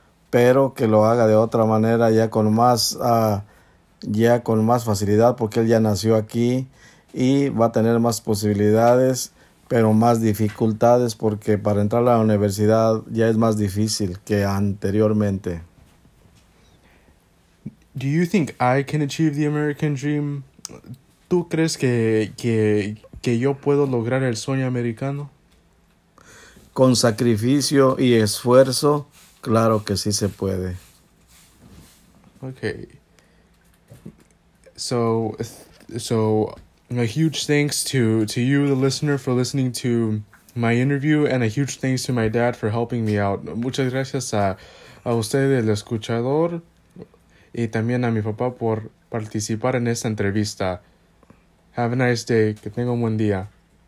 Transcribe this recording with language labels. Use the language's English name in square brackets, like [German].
[Spanish] pero que lo haga de otra manera, ya con más facilidad, porque él ya nació aquí y va a tener más posibilidades, pero más dificultades, porque para entrar a la universidad ya es más difícil que anteriormente. [English] Do you think I can achieve the American dream? [Spanish] ¿Tú crees que yo puedo lograr el sueño americano? Con sacrificio y esfuerzo, claro que sí se puede. [English] Okay. So a huge thanks to you, the listener, for listening to my interview, and a huge thanks to my dad for helping me out. [Spanish] Muchas gracias a usted, el escuchador, y también a mi papá por participar en esta entrevista. [English] Have a nice day. [Spanish] Que tenga un buen día.